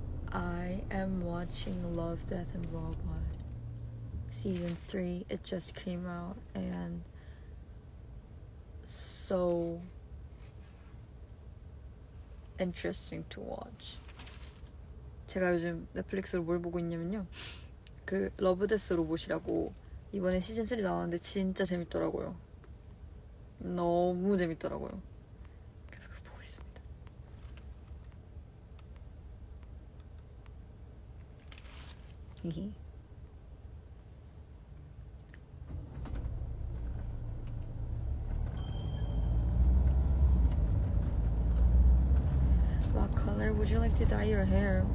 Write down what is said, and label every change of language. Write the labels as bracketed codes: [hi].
[en] I am watching Love, Death and Robot Season 3. It just came out and so interesting to watch. [ko] 제가 요즘 넷플릭스로 뭘 보고 있냐면요, 그 러브 데스 로봇이라고 이번에 시즌 3 나왔는데 진짜 재밌더라고요. 너무 재밌더라고요. 그래서 그걸 보고 있습니다. [en] 이게 Would you like to dye your hair?